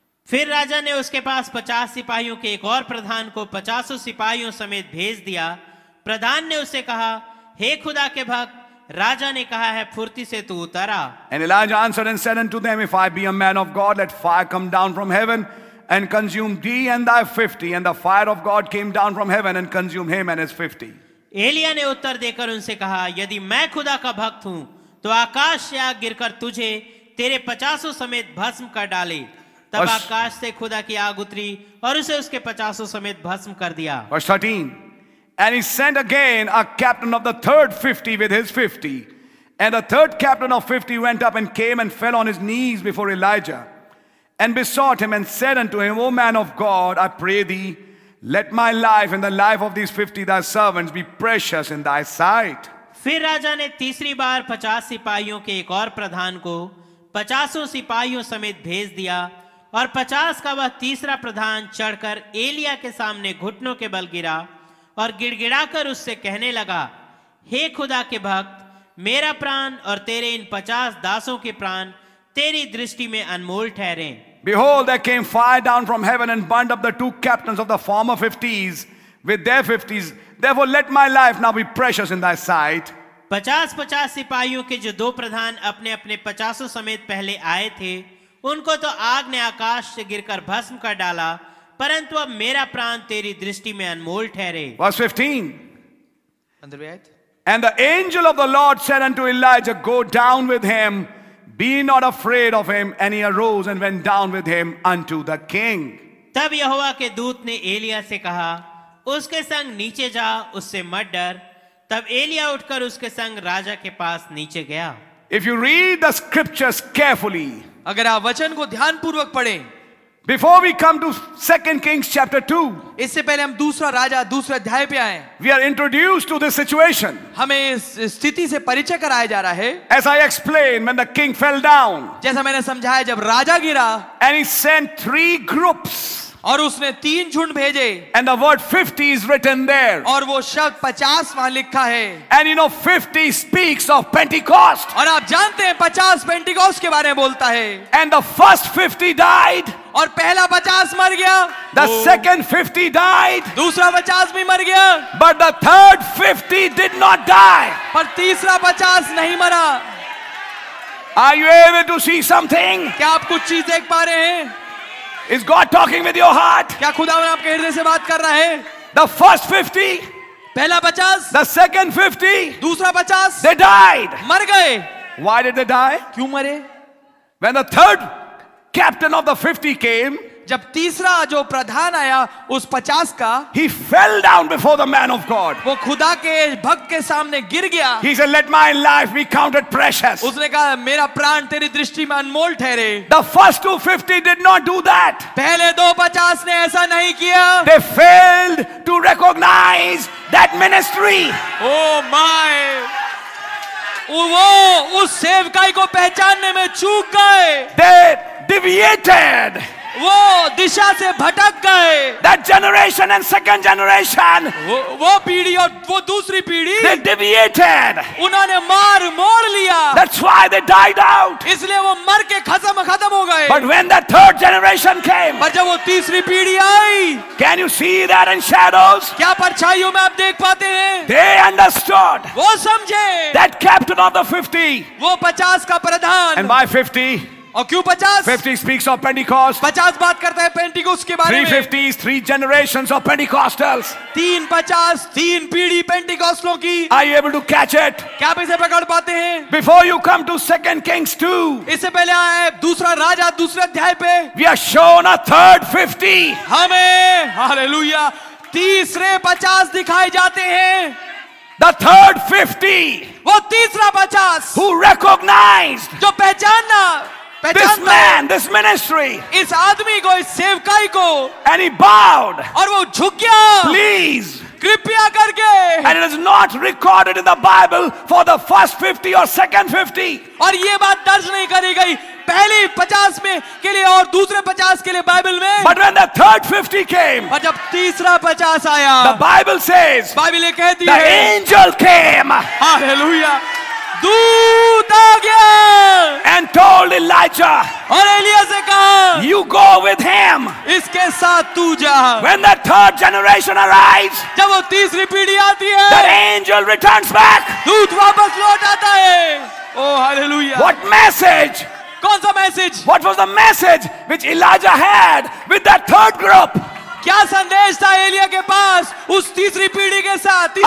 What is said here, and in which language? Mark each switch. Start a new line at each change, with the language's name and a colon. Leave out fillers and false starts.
Hindi: फिर राजा ने उसके पास 50 सिपाहियों के एक और प्रधान को 50 सिपाहियों समेत भेज दिया। प्रधान ने उससे कहा, हे खुदा के भक्त, राजा ने कहा है फुर्ती से तू उतर आ।
English: And Elijah answered and said unto them, if I be a man of God, let fire come down from heaven and consume thee and thy 50. And the fire of God came down from heaven and consumed him and his 50.
Hindi: Elia ने उत्तर देकर उनसे कहा, यदि मैं खुदा का भक्त हूं, तो आकाश से आग गिरकर तुझे तेरे 50 समेत भस्म कर डाले। तब आकाश से खुदा की आग उतरी और उसे उसके 50 समेत भस्म कर दिया।
English: Verse 13, and he sent again a captain of the third 50 with his 50. And the third captain of 50 went up and came and fell on his knees before Elijah. And besought him and said unto him, O man of God, I pray thee, let my life and the life of these 50 thy servants be precious in thy sight.
Hindi: फिर राजा ने तीसरी बार 50 सिपाहियों के एक और प्रधान को 50 सिपाहियों समेत भेज दिया और 50 का वह तीसरा प्रधान चढ़कर एलिया के सामने घुटनों के बल गिरा और गिड़गिड़ाकर उससे कहने लगा, हे खुदा के भक्त, मेरा प्राण और तेरे इन 50 दासों के प्राण तेरी दृष्टि में अनमोल ठहरे।
English: Behold, there came fire down from heaven and burned up the two captains of the former 50s with their 50s. Therefore, let my life now be precious in thy sight.
Hindi: 50-50 सिपाहियों के जो दो प्रधान अपने अपने 50 समेत पहले आए थे, उनको तो आग ने आकाश से गिरकर भस्म कर डाला, परंतु अब मेरा प्राण तेरी दृष्टि में अनमोल ठहरे।
English: Verse 15. And the angel of the Lord said unto Elijah, go down with him. Be not afraid of him, and he arose and went down with him unto the king.
Hindi: तब यहोवा के दूत ने एलिया से कहा, उसके संग नीचे जा, उससे मत डर। तब एलिया उठकर उसके संग राजा के पास नीचे गया।
English: If you read the scriptures carefully,
Hindi: अगर आप वचन को ध्यान पूर्वक पढ़ें,
English: before we come to 2 Kings chapter 2,
Hindi: इससे पहले हम दूसरा राजा दूसरे अध्याय पे आएं,
English: we are introduced to this situation.
Hindi: हमें इस स्थिति से परिचय कराया जा रहा है।
English: As I explained, when the king fell down,
Hindi: जैसा मैंने समझाया जब राजा गिरा,
English: and he sent three groups,
Hindi: और उसने तीन झुंड भेजे,
English: and the word 50 is written there,
Hindi: और वो शब्द 50 वहां लिखा है,
English: and you know 50 speaks of Pentecost,
Hindi: और आप जानते हैं 50 पेंटिकॉस्ट के बारे में बोलता है,
English: and the first 50 died.
Hindi: और पहला 50 मर गया।
English: The second 50 died.
Hindi: दूसरा 50 भी मर गया।
English: But the third 50 did not die.
Hindi: पर तीसरा 50 नहीं मरा।
English: Are you able to see something?
Hindi: क्या आप कुछ चीज देख पा रहे हैं?
English: Is God talking with your heart?
Hindi: क्या खुदा आपके हृदय से बात कर रहा है?
English: The first 50.
Hindi: पहला 50.
English: The second 50.
Hindi: दूसरा 50.
English: They died.
Hindi: मर गए।
English: Why did they die?
Hindi: क्यों मरे?
English: When the third captain of the 50 came,
Hindi: जब तीसरा जो प्रधान आया उस 50 का,
English: he fell down before the man of God.
Hindi: वो खुदा के भक्त के सामने गिर गया।
English: He said, "Let my life be counted precious."
Hindi: उसने कहा, मेरा प्राण तेरी दृष्टि में अनमोल ठहरे।
English: The first two 50 did not do that.
Hindi: पहले दो 50 ने ऐसा नहीं किया।
English: They failed to recognize that ministry. Oh my!
Hindi: वो उस सेवकाई को पहचानने में चूक गए।
English: They deviated.
Hindi: वो दिशा से भटक गए।
English: That generation and second generation.
Hindi: वो पीढ़ी और वो दूसरी पीढ़ी।
English: They deviated.
Hindi: उन्होंने मार मोड़ लिया।
English: That's why they died out.
Hindi: इसलिए वो मर के खत्म हो गए।
English: But when the third generation came.
Hindi: पर जब वो तीसरी पीढ़ी आई।
English: Can you see that in shadows?
Hindi: क्या परछाइयों में आप देख पाते हैं?
English: They understood.
Hindi: वो समझे।
English: That captain of the 50.
Hindi: वो 50 का प्रधान।
English: And by 50.
Hindi: और क्यों 50?
English: 50 speaks of Pentecost.
Hindi: 50 बात करता है पेंटिकोस्ट के बारे में.
English: 350 is three generations of Pentecostals.
Hindi: 350 तीन पीढ़ी पेंटिकोस्टलों की.
English: Are you able to catch it?
Hindi: क्या आप इसे पकड़ पाते हैं?
English: Before you come to 2 Kings 2.
Hindi: इससे पहले आए दूसरा राजा दूसरे अध्याय पे.
English: We are shown a third 50.
Hindi: हमें हालेलुया तीसरे 50 दिखाए जाते हैं.
English: The third 50.
Hindi: वो तीसरा 50.
English: Who recognized?
Hindi: जो पहचाना.
English: This man, this ministry.
Hindi: इस आदमी को, इस सेवकाई को.
English: And he bowed.
Hindi: और वो झुक गया.
English: Please.
Hindi: कृपया करके.
English: And it is not recorded in the Bible for the first 50 or second 50.
Hindi: और ये बात दर्ज नहीं करी गई पहले 50 में के लिए और दूसरे 50 के लिए बाइबल में.
English: But when the third 50 came.
Hindi: और जब तीसरा 50 आया.
English: The Bible says.
Hindi: बाइबल ये कहती है.
English: The angel came.
Hindi: Hallelujah. दूत आ गया.
English: And told Elijah.
Hindi: और एलिया से कहा.
English: You go with him.
Hindi: इसके साथ तू जा.
English: When the third generation arrives.
Hindi: जब वो तीसरी पीढ़ी आती है.
English: The angel returns back.
Hindi: दूत वापस लौट आता है.
English: Oh hallelujah. What message?
Hindi: कौन सा message?
English: What was the message which Elijah had with that third group?
Hindi: क्या संदेश था एलिया के पास उस तीसरी पीढ़ी के साथ?